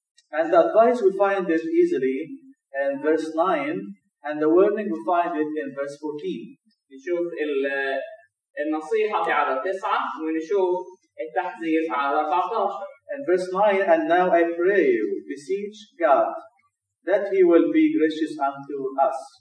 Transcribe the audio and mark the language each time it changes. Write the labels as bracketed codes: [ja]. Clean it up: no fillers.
[en] And the advice we find is easily verse 9, and the warning we find it in verse 14. [ar] نشوف النصيحة في عدد 9 ونشوف التحذير في عدد 14. [en] And verse 9, and now I pray you, beseech God, that He will be gracious unto us.